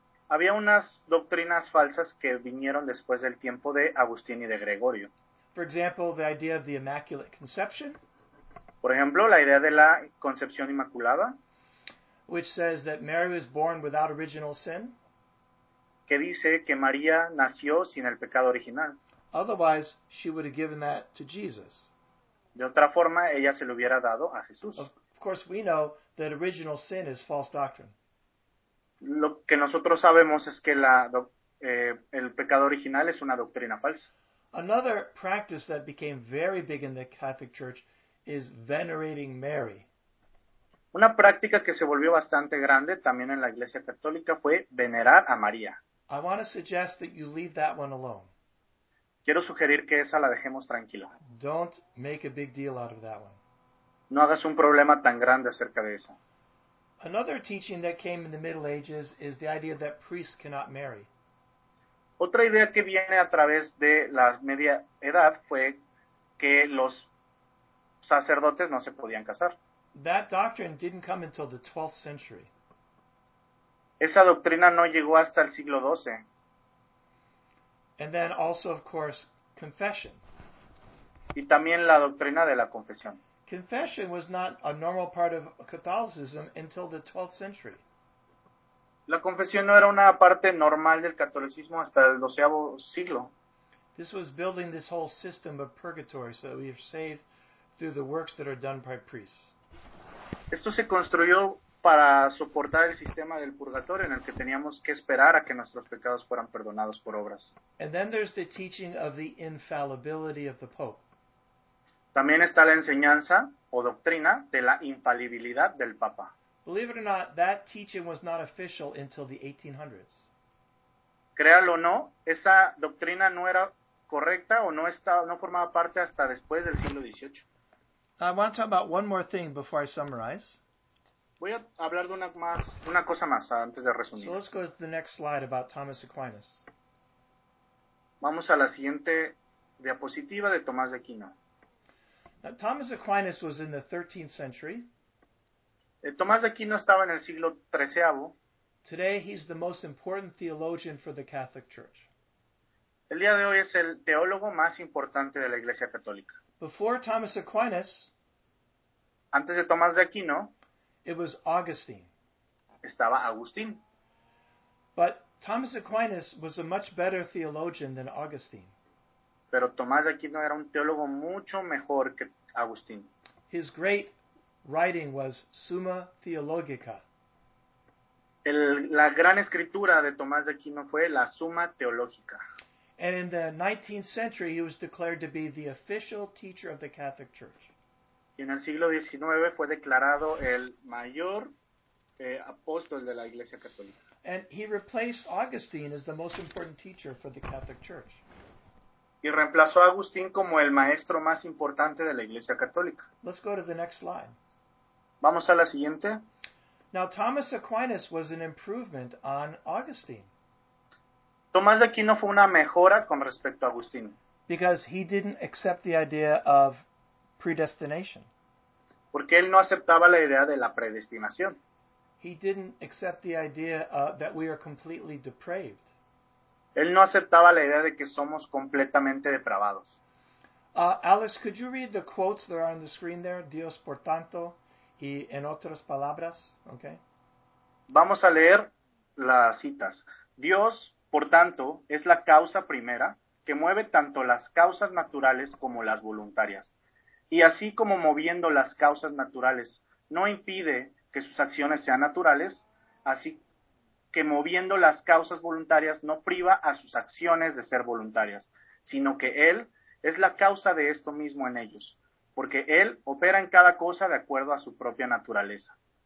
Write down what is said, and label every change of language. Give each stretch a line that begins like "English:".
Spanish: Había unas doctrinas falsas que vinieron después del tiempo de Agustín y de Gregorio.
English: For example, the idea of the Immaculate Conception.
Spanish: Por ejemplo, la idea de la concepción inmaculada.
English: Which says that Mary was born without original sin.
Spanish: Que dice que María nació sin el pecado original.
English: Otherwise, she would have given that to Jesus.
Spanish: De otra forma, ella se lo hubiera dado a Jesús.
English: Of course, we know that original sin is false doctrine.
Spanish: Lo que nosotros sabemos es que el pecado original es una doctrina falsa.
English: Another practice that became very big in the Catholic Church is venerating Mary.
Spanish: Una práctica que se volvió bastante grande también en la Iglesia Católica fue venerar a María.
English: I want to suggest that you leave that one alone.
Spanish: Quiero sugerir que esa la dejemos tranquila.
English: Don't make a big deal out of that one.
Spanish: No hagas un problema tan grande acerca de eso.
English: Another teaching that came in the Middle Ages is the idea that priests cannot marry.
Spanish: Otra idea que viene a través de la Media Edad fue que los sacerdotes no se podían casar.
English: That doctrine didn't come until the 12th century.
Spanish: Esa doctrina no llegó hasta el siglo XII.
English: And then also, of course, confession.
Spanish: Y también la doctrina de la confesión.
English: Confession was not a normal part of Catholicism until the 12th century.
Spanish: La confesión no era una parte normal del catolicismo hasta el 12º siglo.
English: This was building this whole system of purgatory so that we are saved through the works that are done by priests.
Spanish: Esto se construyó para soportar el sistema del purgatorio en el que teníamos que esperar a que nuestros pecados fueran perdonados por obras.
English: And then there's the teaching of the infallibility of the Pope.
Spanish: También está la enseñanza o doctrina de la infalibilidad del Papa.
English: Believe it or not, that teaching was not official until the 1800s.
Spanish: Créalo o no, esa doctrina no era correcta o no estaba, no formaba parte hasta después del siglo XVIII.
English: I want to talk about one more thing before I summarize.
Spanish: Voy a hablar de una cosa más antes de resumir.
English: So let's go to the next slide about Thomas Aquinas.
Spanish: Vamos a la siguiente diapositiva de Tomás de Aquino.
English: Now, Thomas Aquinas was in the 13th century.
Spanish: Tomás de Aquino estaba en el siglo XIII.
English: Today he's the most important theologian for the Catholic Church.
Spanish: El día de hoy es el teólogo más importante de la Iglesia Católica.
English: Before Thomas Aquinas,
Spanish: antes de Tomás de Aquino,
English: it was Augustine.
Spanish: Estaba Agustín.
English: But Thomas Aquinas was a much better theologian than Augustine.
Spanish: Pero Tomás de Aquino era un teólogo mucho mejor que Agustín.
English: His great writing was Summa Theologica.
Spanish: La gran escritura de Tomás de Aquino fue la Summa Theologica.
English: And in the 19th century, he was declared to be the official teacher of the Catholic Church.
Spanish: Y en el siglo XIX fue declarado el mayor apóstol de la Iglesia Católica.
English: And he replaced Augustine as the most important teacher for the Catholic Church.
Spanish: Y reemplazó a Agustín como el maestro más importante de la Iglesia Católica.
English: Let's go to the next slide.
Spanish: Vamos a la siguiente.
English: Now, Thomas Aquinas was an improvement on Augustine.
Spanish: Tomás de Aquino fue una mejora con respecto a Agustín.
English: Because he didn't accept the idea of predestination.
Spanish: Porque él no aceptaba la idea de la predestinación.
English: He didn't accept the idea that we are completely depraved.
Spanish: Él no aceptaba la idea de que somos completamente depravados.
English: Alex, could you read the quotes that are on the screen there?
Spanish: Dios por tanto, y en otras palabras, okay? Vamos a leer las citas. Dios, por tanto, es la causa primera que mueve tanto las causas naturales como las voluntarias. Y así como moviendo las causas naturales no impide que sus acciones sean naturales, así que moviendo las causas voluntarias no priva a sus acciones de ser voluntarias, sino que Él es la causa de esto mismo en ellos, porque Él opera en cada cosa de acuerdo a su propia naturaleza.